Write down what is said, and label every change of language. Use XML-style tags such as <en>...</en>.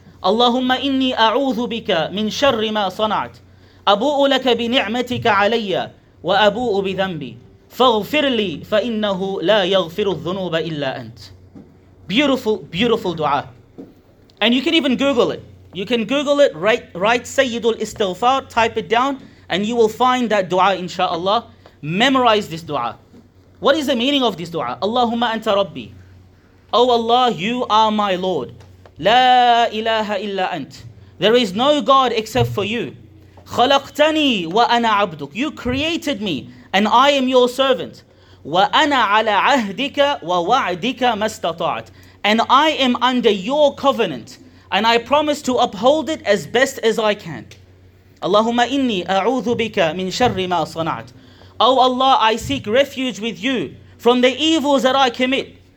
<ar>اللهم إني أعوذ بك من شر ما صنعت أبوء لك بنعمتك علي وأبوء بذنبي فاغفر لي فإنه لا يغفر الذنوب إلا أنت.</ar> <en>Beautiful, beautiful dua. And you can even Google it. You can Google it, write Sayyidul Istighfar, type it down, and you will find that dua inshaAllah. Memorize this dua. What is the meaning of this dua?</en> <ar>اللهم أنت ربي.</ar> <en>Oh Allah, you are my Lord.</en> <ar>لا إله إلا أنت.</ar> <en>There is no God except for you.</en> <ar>خلقتني وأنا عبدك.</ar> <en>You created me and I am your servant.</en> <ar>وأنا على عهدك ووعدك ما استطعت.</ar> <en>And I am under your covenant and I promise to uphold it as best as I can.</en> <ar>اللهم إني أعوذ بك من شر ما صنعت.</ar> <en>Oh Allah, I seek refuge with you from the evils that I commit.</en>